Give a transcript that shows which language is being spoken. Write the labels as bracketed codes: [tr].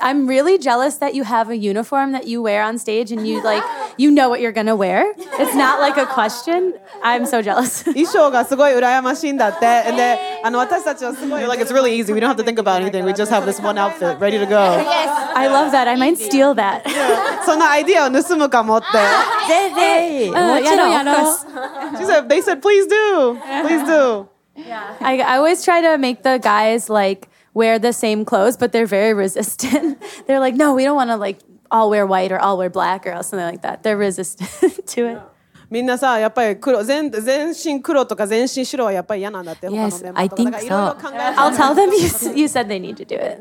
[en] I'm really jealous that you have a uniform that you wear on stage and you like you know what you're gonna wear. It's not like a question. I'm so jealous. [ja] 衣装がすごい羨ましいんだって。 [en] And then, [ja] 私たちはすごい [en] You're like, it's really easy. We don't have to think about anything. We just have this one outfit ready to go. Yes. I love that. I might steal that. [ja] そのアイディアを盗むかもって。ぜひぜひ。もちろんやろう。 [en] She said, they said, please do. Please do. Yeah. I always try to make the guys like wear the same clothes, but they're very resistant. They're like, no, we don't want to like all wear white or all wear black or something like that. They're resistant to it. [ja] みんなさ、やっぱり黒、全身黒とか全身白はやっぱり嫌なんだって。 [en] Yes, I think so. I'll tell them you said they need to do it.